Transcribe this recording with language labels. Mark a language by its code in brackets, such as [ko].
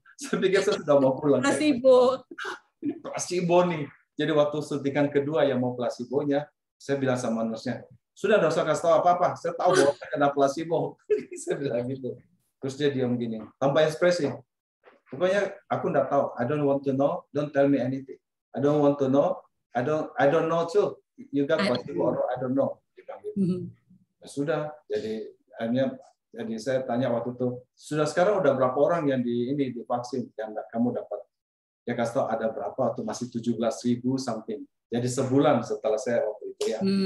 [id] Saya pikir saya sudah mau pulang. Placebo. Ini placebo nih. Jadi waktu suntikan kedua yang mau placebo-nya, saya bilang sama nurse-nya, sudah dosa kasih tahu apa-apa, saya tahu bahwa saya kena placebo. Saya bilang gitu. Terus dia diam gini, tanpa ekspresi. Pokoknya aku enggak tahu. [en] I don't want to know, don't tell me anything. I don't want to know, I don't know too. You got placebo or I don't know. [id] Dia bilang gitu. Ya sudah, jadi akhirnya, jadi saya tanya waktu itu, sudah sekarang udah berapa orang yang divaksin yang kamu dapat? Ya kasih tahu ada berapa, atau masih 17.000 something. Jadi sebulan setelah saya waktu itu ya.